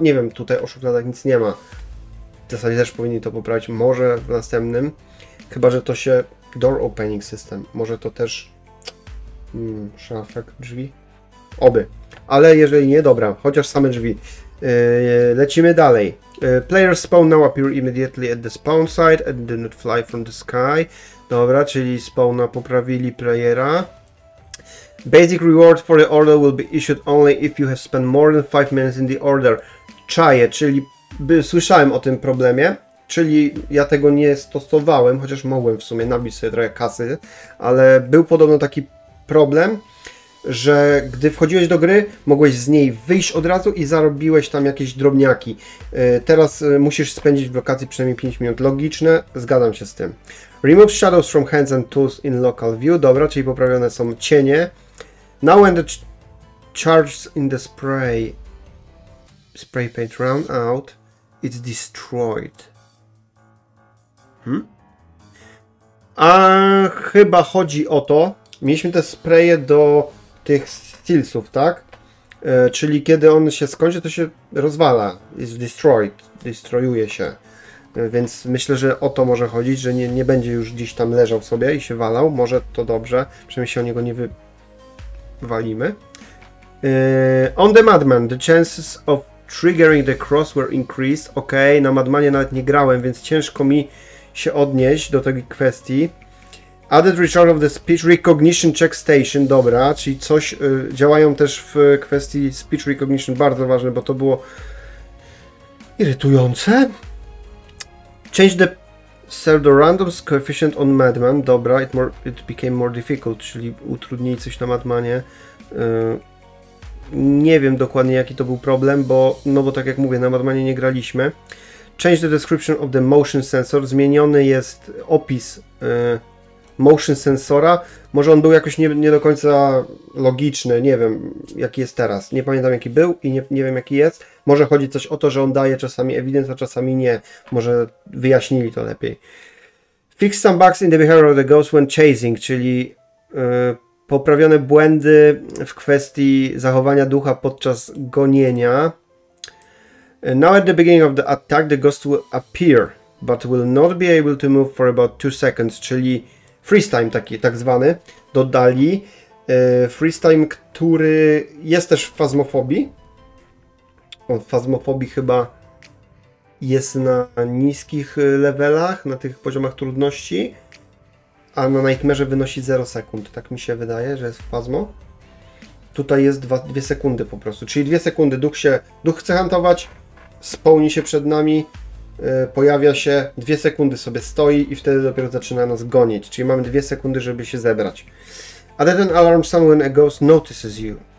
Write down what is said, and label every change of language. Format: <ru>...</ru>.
<pl>Nie wiem, tutaj o szufladach nic nie ma. W zasadzie też powinni to poprawić, może w następnym. Chyba, że to się</pl> <en>door opening system,</en> <pl>może to też szafek drzwi, oby, ale jeżeli nie, dobra, chociaż same drzwi. Lecimy dalej.</pl> <en>Players spawn now appear immediately at the spawn site and do not fly from the sky.</en> <pl>Dobra, czyli spawna poprawili playera.</pl> <en>Basic reward for the order will be issued only if you have spent more than 5 minutes in the order.</en> <pl>Czaję, czyli słyszałem o tym problemie. Czyli ja tego nie stosowałem, chociaż mogłem w sumie nabić sobie trochę kasy, ale był podobno taki problem, że gdy wchodziłeś do gry, mogłeś z niej wyjść od razu i zarobiłeś tam jakieś drobniaki. Teraz musisz spędzić w lokacji przynajmniej 5 minut. Logiczne, zgadzam się z tym.</pl> <en>Remove shadows from hands and tools in local view.</en> <pl>Dobra, czyli poprawione są cienie.</pl> <en>Now when the charges in the spray paint run out, it's destroyed.</en> <pl>A chyba chodzi o to, mieliśmy te spraye do tych stilsów, tak? Czyli kiedy on się skończy, to się rozwala, jest destroyed, destroyuje się. Więc myślę, że o to może chodzić, że nie będzie już gdzieś tam leżał sobie i się walał. Może to dobrze, przynajmniej się o niego nie wywalimy.</pl> <en>On the Madman, the chances of triggering the cross were increased.</en> <pl>Ok, na Madmanie nawet nie grałem, więc ciężko mi się odnieść do tej kwestii.</pl> <en>Added return of the speech recognition check station.</en> <pl>Dobra, czyli coś działają też w kwestii speech recognition. Bardzo ważne, bo to było irytujące.</pl> <en>Change the pseudo random coefficient on Madman.</en> <pl>Dobra,</pl> <en>it became more difficult.</en> <pl>Czyli utrudnili coś na Madmanie. Nie wiem dokładnie, jaki to był problem, bo tak jak mówię, na Madmanie nie graliśmy.</pl> <en>Change the description of the motion sensor.</en> <pl>Zmieniony jest opis motion sensora. Może on był jakoś nie do końca logiczny. Nie wiem, jaki jest teraz. Nie pamiętam, jaki był i nie wiem, jaki jest. Może chodzi coś o to, że on daje czasami evidence, a czasami nie. Może wyjaśnili to lepiej.</pl> <en>Fix some bugs in the behavior of the ghost when chasing.</en> <pl>Czyli poprawione błędy w kwestii zachowania ducha podczas gonienia.</pl> <en>Now at the beginning of the attack, the ghost will appear, but will not be able to move for about 2 seconds,</en> <pl>czyli freeze time taki, tak zwany, dodali. Freeze time, który jest też w fazmofobii. On w fazmofobii chyba jest na niskich levelach, na tych poziomach trudności, a na Nightmare wynosi 0 sekund, tak mi się wydaje, że jest w fazmo. Tutaj jest 2 sekundy po prostu, czyli 2 sekundy, duch chce hantować, spełni się przed nami, pojawia się, 2 sekundy sobie stoi i wtedy dopiero zaczyna nas gonić. Czyli mamy 2 sekundy, żeby się zebrać.</pl> <en>Added an alarm sound when a ghost notices you.</en>